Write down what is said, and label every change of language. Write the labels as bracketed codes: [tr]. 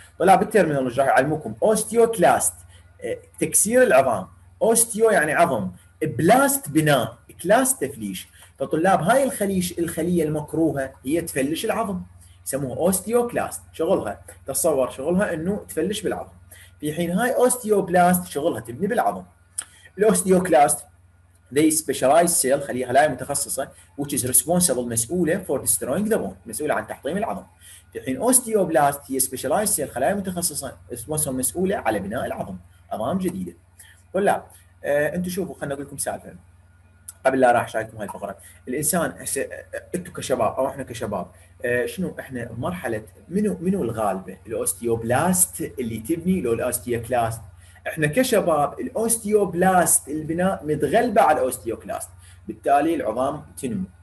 [ar] طلاب الترمينولوجي راح يعلمكم اوستيوكلاست تكسير العظام، اوستيو يعني عظم، بلاست بناء، كلاست تفليش. فطلاب هاي الخليش الخليه المكروهه هي تفلش العظم، يسموها اوستيوكلاست. شغلها تصور شغلها انه تفلش بالعظم، في حين هاي اوستيوبلاست شغلها تبني بالعظم. الاوستيوكلاست [en] they specialized cell، [ar] خليه خلايا متخصصه [en] which is responsible، [ar] مسؤوله [en] for destroying the bone، [ar] مسؤوله عن تحطيم العظم. في حين اوستيوبلاست هي specialized cell، خلايا متخصصه مسؤوله على بناء العظم، عظام جديده. ولا انتم شوفوا، خلنا اقول لكم سالفه قبل لا راح شايفكم هاي الفقره. الانسان انتم كشباب او احنا كشباب شنو احنا مرحله، منو الغالبه؟ الاوستيوبلاست اللي تبني لو الاوستيوكلاست؟ احنا كشباب الاوستيوبلاست البناء متغلبه على الاوستيوكلاست، بالتالي العظام تنمو.